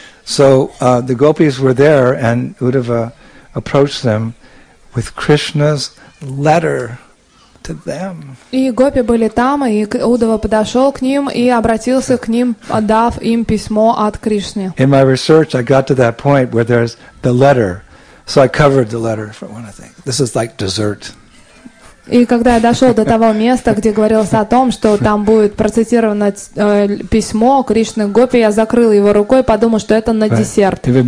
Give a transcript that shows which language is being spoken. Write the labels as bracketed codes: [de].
[en] So, the Gopis were there, and Udava approached them with Krishna's letter to them. [ru] И гопи были там, и Удава подошел к ним и обратился к ним, отдав им письмо от Кришны. [en] In my research, I got to that point where there's the letter, so I covered the letter for one thing. This is like dessert. [ru] И когда я дошел до того места, где говорилось о том, что там будет процитировано письмо Кришны Гопи, я закрыл его рукой, подумал, что это на десерт.